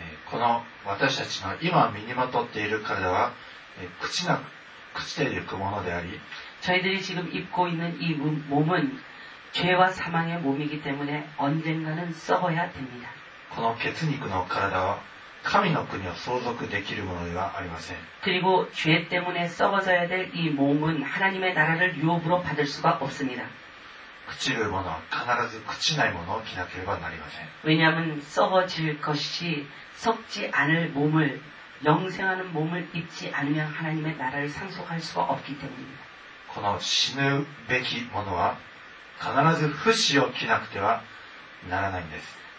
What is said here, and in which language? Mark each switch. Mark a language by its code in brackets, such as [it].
[ja] この私たちの今身にまとっている体は朽ちていくものであり [ko] 저희들이지금입고있는이몸은죄와사망의몸이기때문에언젠가는썩어야됩니다 [ja] この血肉の体は神の国を相続できるものではありません。 [ko] 그리고죄때문에썩어져야될이몸은하나님의나라를유업으로받을수가없습니다 [ja] 朽ちるものは必ず朽ちないものを着なければなりません。 [ko] 왜냐면썩어질것이썩지않을몸을영생하는몸을입지않으면하나님의나라를상속할수가없기때문입니다 [ja] この死ぬべきものは必ず不死を着なくてはならないんです。